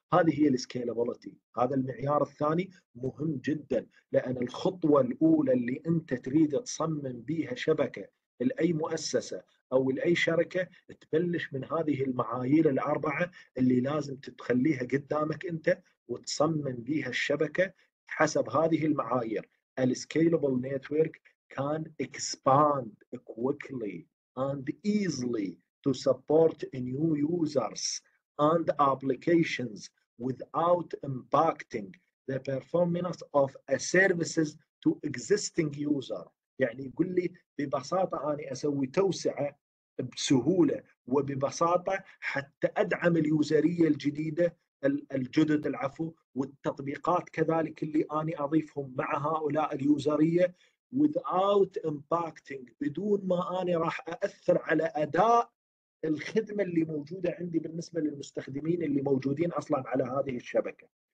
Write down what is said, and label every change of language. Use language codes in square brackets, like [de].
[ar] هذه هي السكيلابيلتي. هذا المعيار الثاني مهم جدا، لأن الخطوة الأولى اللي أنت تريد تصمم بيها شبكة لأي مؤسسة أو لأي شركة، تبلش من هذه المعايير الأربعة اللي لازم تتخليها قدامك أنت وتصمم بيها الشبكة حسب هذه المعايير. السكيلابل نيتورك [en] can expand quickly and easily to support new users and applications without impacting the performance of a services to existing user. [ar] يعني يقول لي ببساطة أنا أسوي توسعة بسهولة وببساطة حتى أدعم اليوزرية الجديدة الجدد العفو، والتطبيقات كذلك اللي أنا أضيفهم مع هؤلاء اليوزرية، [en] without impacting، [ar] بدون ما أنا راح أأثر على أداء الخدمة اللي موجودة عندي بالنسبة للمستخدمين اللي موجودين أصلاً على هذه الشبكة.